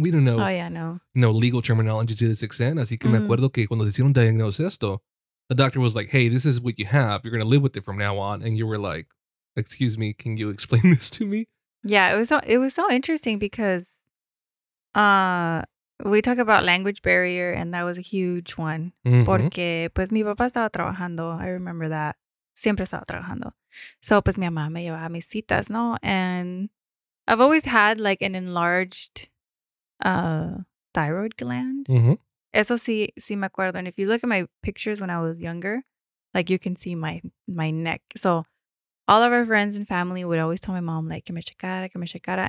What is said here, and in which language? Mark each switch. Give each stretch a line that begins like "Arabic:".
English: We didn't know legal terminology to this extent.
Spanish: Así que me acuerdo que cuando hicieron diagnose esto,
English: the doctor was like, hey, this is what you have. You're going to live with it from now on. And you were like, excuse me, can you explain this to me? Yeah, it was so interesting because we talk about language barrier, and that was a huge one.
Spanish: Mm-hmm. Porque, pues, mi papá estaba trabajando.
English: I remember that.
Spanish: Siempre estaba trabajando. So, pues, mi mamá me llevaba mis citas, ¿no?
English: And I've always had, like, an enlarged thyroid gland. Mm-hmm.
Spanish: Eso sí me acuerdo.
English: And if you look at my pictures when I was younger, like you can see my neck. So all of our friends and family would always tell my mom, like,
Spanish: que me checara, que me checara.